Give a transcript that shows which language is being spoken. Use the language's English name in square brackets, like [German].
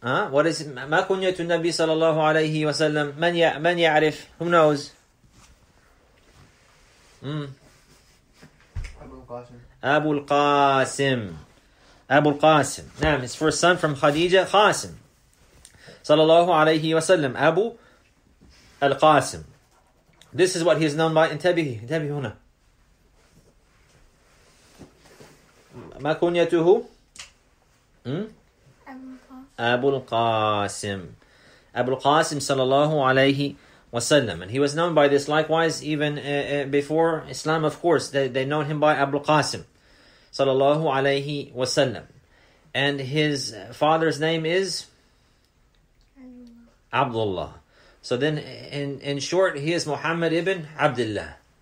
[English] What is [Arabic] ma kunyatu nabi sallallahu alayhi wa sallam? Man ya'rif? [English] Who knows? Abu al-Qasim. Naam, his first son from Khadija, Qasim. [Arabic] صلى الله عليه وسلم أبو القاسم. [English] This is what he is known by. [Arabic] انتبه انتبه هنا. ما كنيته؟ أبو القاسم. أبو القاسم صلى الله عليه وسلم. [English] And he was known by this. Likewise, even before Islam, of course, they known him by Abu al-Qasim. صلى الله عليه وسلم. And his father's name is? Abdullah. So then, in short, he is Muhammad ibn Abdullah.